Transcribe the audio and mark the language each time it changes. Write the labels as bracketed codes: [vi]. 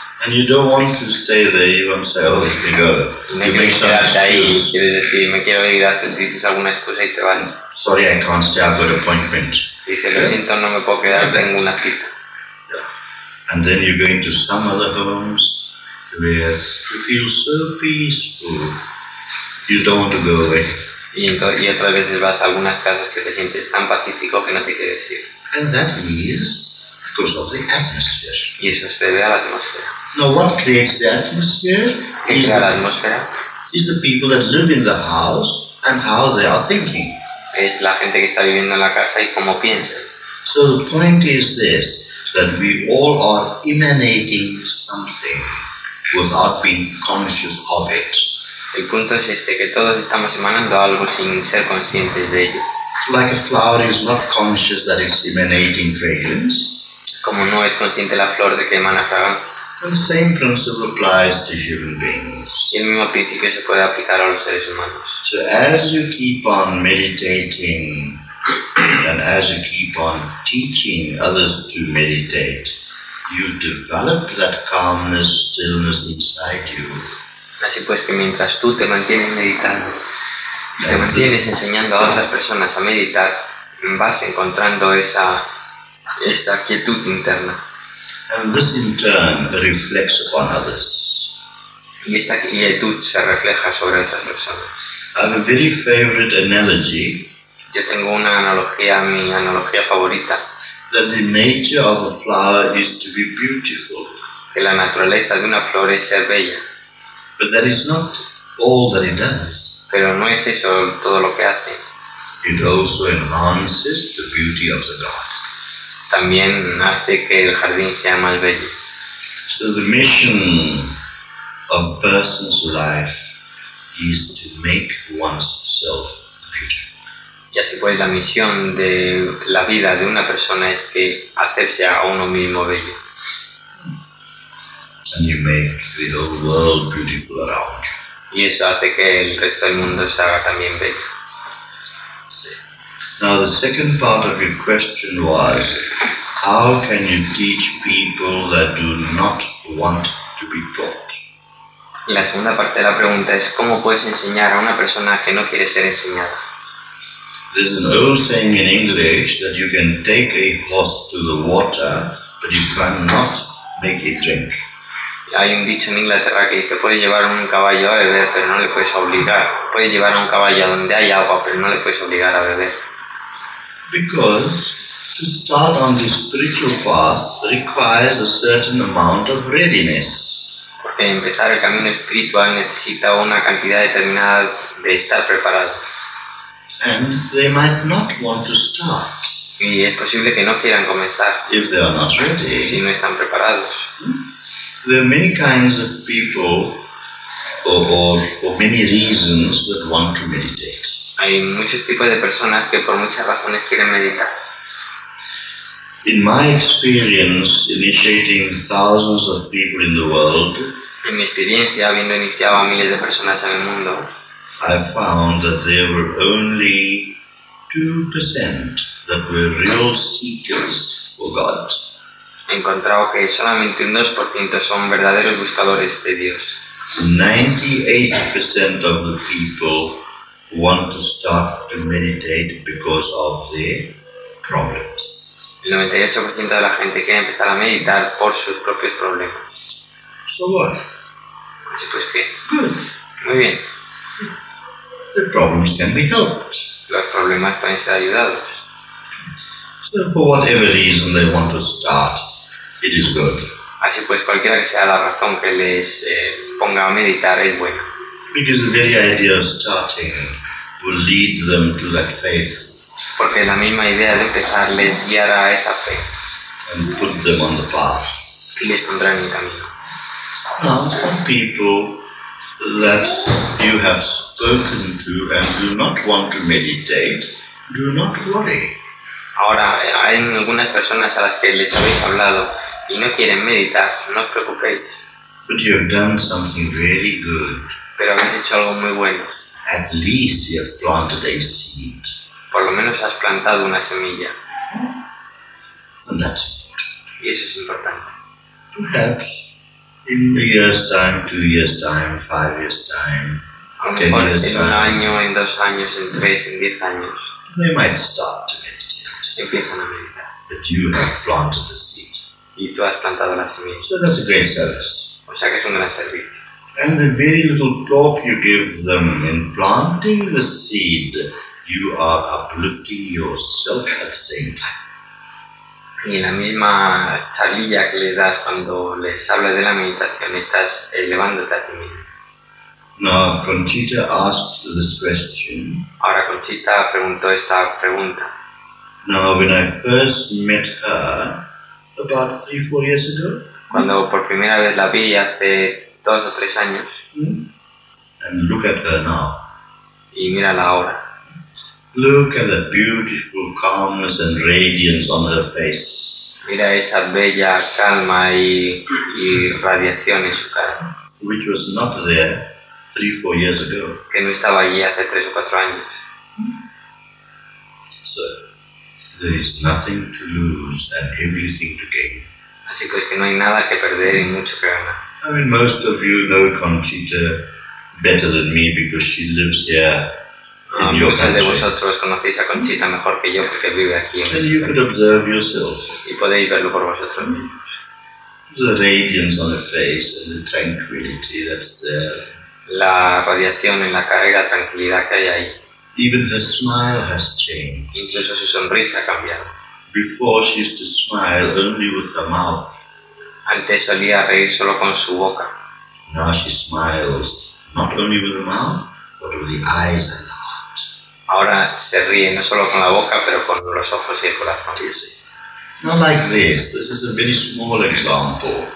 [en] And you don't want to stay there, you want to say, oh, let me go. [es] Quieres decir, me quiero ir, dices alguna excusa y te vas. [en] Sorry, I can't stay, I've got an appointment. [es] Dice, lo siento, no me puedo quedar, tengo una cita. [en] Yeah. And then you go into some other homes where you feel so peaceful, you don't want to go away. [es] Y otras veces vas a algunas casas que te sientes tan pacífico que no te quieres ir. [en] And that is because of the atmosphere. [es] Y eso se debe a la atmósfera. [en] Now what creates the atmosphere? [es] ¿Qué crea la atmósfera? [en] Is the people that live in the house and how they are thinking. [es] Es la gente que está viviendo en la casa y cómo piensa. [en] So the point is this, that we all are emanating something without being conscious of it. [es] El punto es este, que todos estamos emanando algo sin ser conscientes de ello. [en] Like a flower is not conscious that it's emanating fragrance. [es] Como no es consciente la flor de que emana fragancia. [en] The same principle applies to human beings. [es] Y el mismo principio se puede aplicar a los seres humanos. [en] So as you keep on meditating and as you keep on teaching others to meditate, you develop that calmness, stillness inside you. [es] Así pues, que mientras tú te mantienes meditando, te mantienes enseñando a otras personas a meditar, vas encontrando esa quietud interna. [en] And this in turn reflects upon others. [es] Y esta quietud se refleja sobre otras personas. [en] I have a very favorite analogy. [es] Yo tengo una analogía, mi analogía favorita. [en] That the nature of a flower is to be beautiful. [es] Que la naturaleza de una flor es ser bella. [en] But that is not all that it does. [es] Pero no es eso todo lo que hace. [en] It also enhances the beauty of the garden. [es] También hace que el jardín sea más bello. [en] So the mission of a person's life is to make oneself beautiful. [es] Y así pues, la misión de la vida de una persona es que hacerse a uno mismo bello. [en] And you make the whole world beautiful around you. [es] Y eso hace que el resto del mundo se haga también bello. [en] Now the second part of your question was, how can you teach people that do not want to be taught? [es] La segunda parte de la pregunta es, ¿cómo puedes enseñar a una persona que no quiere ser enseñada? [en] There's an old saying in English that you can take a horse to the water, but you cannot make it drink. [es] Hay un dicho en Inglaterra que dice, puedes llevar un caballo a beber, pero no le puedes obligar. Puedes llevar un caballo a donde hay agua, pero no le puedes obligar a beber. [en] Because to start on this spiritual path requires a certain amount of readiness. [es] Porque empezar el camino espiritual necesita una cantidad determinada de estar preparado. [en] And they might not want to start. [es] Y es posible que no quieran comenzar. [en] If they are not ready. [es] Si no están preparados. [en] There are many kinds of people, or for many reasons, that want to meditate. [es] Hay muchos tipos de personas que por muchas razones quieren meditar. [en] In my experience, initiating thousands of people in the world, [es] en mi experiencia, habiendo iniciado a miles de personas en el mundo, [en] I found that there were only 2% that were real seekers for God. [es] He encontrado que solamente un 2% son verdaderos buscadores de Dios. [en] 98% of the people want to start to meditate because of their problems. [es] El 98% de la gente quiere empezar a meditar por sus propios problemas. [en] So what? [es] Así pues, ¿qué? [en] Good. [es] Muy bien. [en] The problems can be helped. [es] Los problemas pueden ser ayudados. [en] So for whatever reason they want to start, it is good. [es] Así pues, cualquiera que sea la razón que les ponga a meditar, es buena. [en] Because the very idea of starting will lead them to that faith. [es] Porque la misma idea de empezar les guiará a esa fe. [en] And put them on the path. [es] Y les pondrá en el camino. [en] Now, some people that you have spoken to and do not want to meditate, do not worry. [es] Ahora, hay algunas personas a las que les habéis hablado y no quieren meditar, no os preocupéis. [en] But you have done something very good. [es] pero habéis hecho algo muy bueno. [en] At least you have planted a seed. [es] Por lo menos has plantado una semilla. [en] And that's important. [es] Y eso es importante. [en] Perhaps in a year's time, 2 years' time, 5 years' time, 10 years' time. [es] En un año, en 2 años, en 3, en 10 años. [en] They might start to meditate. [es] Empiezan a meditar. [en] But you have planted the seed. [es] Y tú has plantado la semilla. [en] So that's a great service. [es] O sea que es un gran servicio. [en] And the very little talk you give them in planting the seed, you are uplifting yourself at the same time. [es] Y en la misma charlilla que les das cuando les hablas de la meditación, estás elevándote a ti mismo. [en] Now, Conchita asked this question. [es] Ahora Conchita preguntó esta pregunta. [en] Now, when I first met her, about 3-4 years ago. [es] Cuando por primera vez la vi hace 2 o 3 años. [en] And look at her now. [es] Y mírala ahora. [en] Look at the beautiful calmness and radiance on her face. [es] Mira esa bella calma y radiación en su cara. [en] Which was not there 3-4 years ago. [es] Que no estaba allí hace 3 o 4 años. [en] So, there is nothing to lose and everything to gain. [es] Así pues que no hay nada que perder y mucho que ganar. [en] I mean, most of you know Conchita better than me because she lives here. [es] Muchos de vosotros conocéis a Conchita mejor que yo porque vive aquí. Y podéis verlo por vosotros mismos. [en] The radiance on the face and the tranquility that's there. [es] La radiación en la cara y la tranquilidad que hay ahí. [en] Even her smile has changed. [es] Incluso su sonrisa ha cambiado. [en] Before she used to smile only with her mouth. [es] Antes solía reír solo con su boca. [en] Now she smiles not only with her mouth but with the eyes and the heart. [es] Ahora se ríe no solo con la boca pero con los ojos y el corazón. [en] Now like this, this is a very small example.